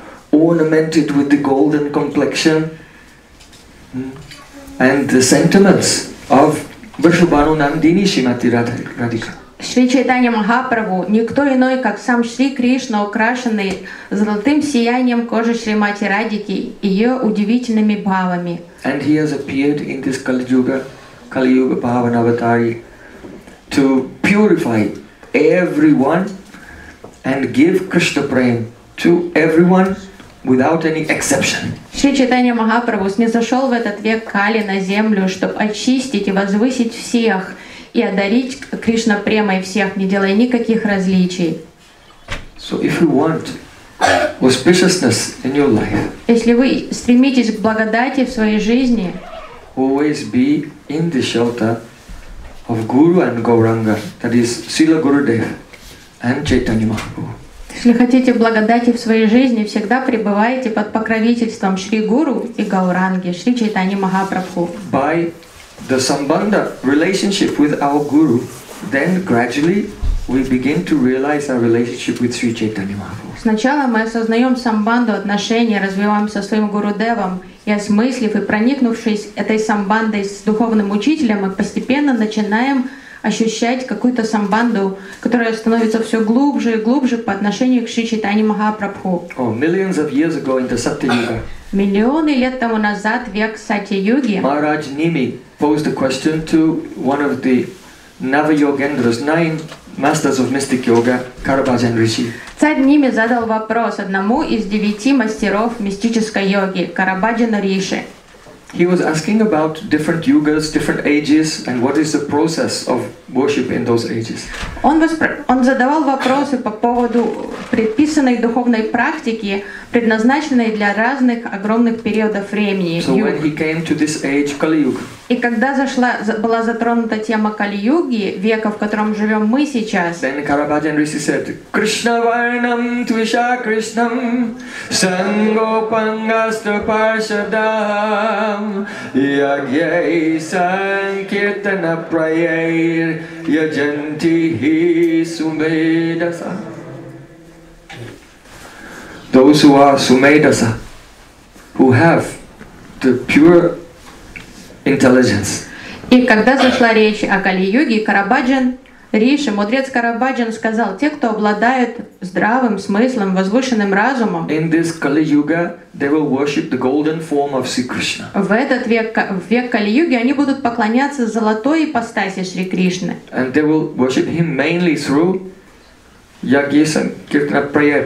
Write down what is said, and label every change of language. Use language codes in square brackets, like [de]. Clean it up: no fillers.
[en] Ornamented with the golden complexion and the sentiments of Vrishabhanu Nandini Shrimati Radhika. [ru] Шри Чайтанья Махапрабху, никто иной, как сам Шри Кришна, украшенный золотым сиянием кожи Шримати Радхики и ее удивительными бхавами. [en] And he has appeared in this Kali Yuga Bhavan Avatari to purify everyone and give Krishna Prem to everyone without any exception. [ru] Шри Чайтанья Махапрабху снизошел в этот век Кали на землю, чтобы очистить и возвысить всех и одарить Кришна премой всех, не делая никаких различий. [en] So if you want auspiciousness in your life, [ru] если вы стремитесь к благодати в своей жизни, [en] always be in the shelter of Guru and Gauranga, that is Srila Gurudev and Chaitanya Mahaprabhu. [ru] Если хотите благодати в своей жизни, всегда пребывайте под покровительством Шри Гуру и Гауранги, Шри Чайтани Махапрабху. [en] By the sambandha relationship with our guru, then gradually we begin to realize our relationship with Sri Chaitanya Mahaprabhu. [ru] Сначала мы осознаем самбанду отношения, развиваемся со своим гурудевом, и осмыслив и проникнувшись этой самбандой с духовным учителем, мы постепенно начинаем ощущать какую-то самбанду, которая становится все глубже и глубже по отношению к Шри Чайтанья Махапрабху. [en] Oh, millions of years ago in the Satya-yuga. [ru] Миллионы лет тому назад, век Сатья-юги. [en] Maharaj Nimi posed a question to one of the Navayogendras, 9 masters of mystic yoga, Karabajan Rishi. [ru] Царь Ними задал вопрос одному из 9 мастеров мистической йоги, Карабаджана Риши. [en] He was asking about different yugas, different ages, and what is the process of worship in those ages. [ru] Он задавал вопросы по поводу предписанной духовной практики, предназначенной для разных огромных периодов времени. [en] So when he came to this age, Kali Yuga. [ru] И когда была затронута тема Кали Юги, века, в котором живем мы сейчас. [en] Then Karabajan Rishi said, [sa] Krishna Varnam Tvisha Krishnam Sangopangastra Parshadam Yagyai Sankirtana Prayer Yajanti Hi Sumedasa. [en] Those who are Sumedasa, who have the pure intelligence. [ru] И когда зашла речь о Кали-юге, Карабаджан Риши, мудрец Карабаджан сказал, те, кто обладает здравым смыслом, возвышенным разумом, [en] in this Kali-yuga, they will worship the golden form of Sri Krishna. [ru] В этот век, в век Кали-юги, они будут поклоняться золотой ипостаси Шри Кришны. [en] And they will worship him mainly through Yagya Sankirtana Praya.